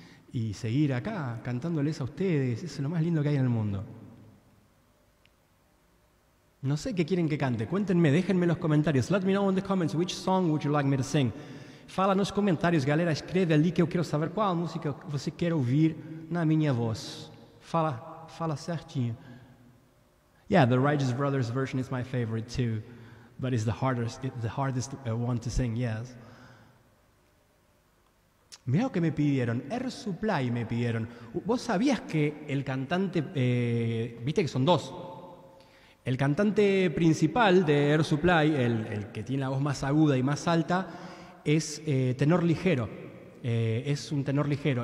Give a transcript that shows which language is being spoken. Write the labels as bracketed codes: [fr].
[es] Y seguir acá cantándoles a ustedes, es lo más lindo que hay en el mundo. No sé qué quieren que cante, cuéntenme, déjenme los comentarios. [en] Let me know in the comments which song would you like me to sing. [pt] Fala nos comentários, galera, escreve ali que eu quero saber qual música você quer ouvir na minha voz. Fala certinho. [en] Yeah, the Righteous Brothers version is my favorite too, but it's the hardest one to sing, yes. [es] Mira lo que me pidieron, Air Supply me pidieron. ¿Vos sabías que el cantante, viste que son dos? El cantante principal de Air Supply, el que tiene la voz más aguda y más alta, es tenor ligero. Es un tenor ligero.